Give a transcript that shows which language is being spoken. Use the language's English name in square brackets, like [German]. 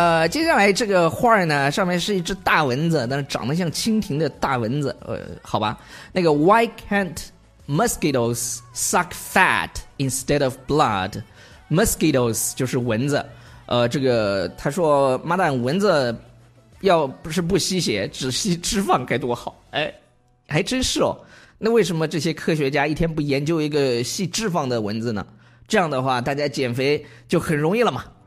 [Chinese] 接下来这个画呢，上面是一只大蚊子，但是长得像蜻蜓的大蚊子。好吧，那个 [English] Why can't mosquitoes suck fat instead of blood? [Chinese] Mosquitoes 就是蚊子，这个他说妈蛋，蚊子要不是不吸血，只吸脂肪该多好。哎，还真是哦。那为什么这些科学家一天不研究一个吸脂肪的蚊子呢？这样的话，大家减肥就很容易了嘛。